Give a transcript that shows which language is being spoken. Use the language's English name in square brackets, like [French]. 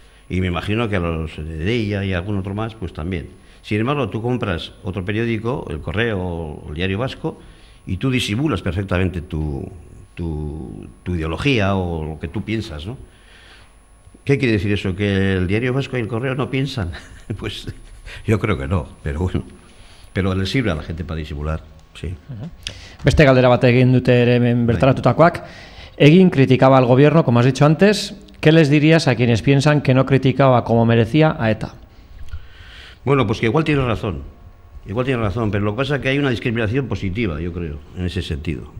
[Spanish] Y me imagino que a los de ella y a algún otro más, pues también. Sin embargo, tú compras otro periódico, El Correo o El Diario Vasco, y tú disimulas perfectamente tu ideología o lo que tú piensas, ¿no? ¿Qué quiere decir eso? ¿Que El Diario Vasco y El Correo no piensan? Pues yo creo que no, pero bueno. Pero le sirve a la gente para disimular, sí. [Basque] Beste galdera bat egin dute hemen bertaratutakoak. [Spanish] Egin criticaba al gobierno, como has dicho antes. ¿Qué les dirías a quienes piensan que no criticaba como merecía a ETA? Bueno, pues que igual tiene razón. Igual tiene razón, pero lo que pasa es que hay una discriminación positiva, yo creo, en ese sentido.